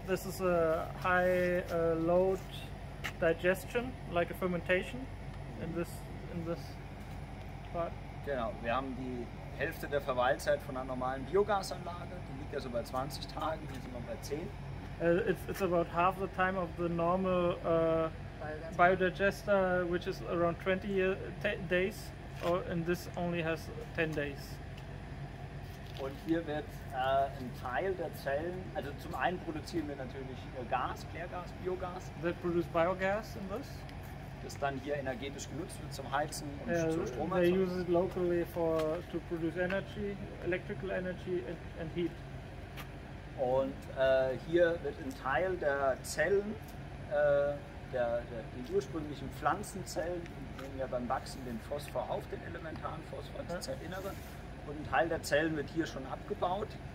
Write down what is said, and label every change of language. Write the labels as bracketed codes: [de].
[en] This is a high load digestion, like a fermentation, in this part. [de] Genau. Wir haben die Hälfte der Verweilzeit von einer normalen Biogasanlage. Die liegt also bei 20 Tagen. Hier sind wir bei 10. [en] It's about half the time of the normal biodigester, which is around 20 days, or and this only has 10 days. [de] Und hier wird ein Teil der Zellen, also zum einen produzieren wir natürlich Gas, Klärgas, Biogas. [en] That produce biogas in this. [de] Das dann hier energetisch genutzt wird zum Heizen und zum Strom. [en] They use it locally for to produce energy, electrical energy and heat. [de] Und hier wird ein Teil der Zellen, den ursprünglichen Pflanzenzellen, die nehmen ja beim Wachsen den Phosphor auf, den elementaren Phosphor, das Zellinnere. Und ein Teil der Zellen wird hier schon abgebaut.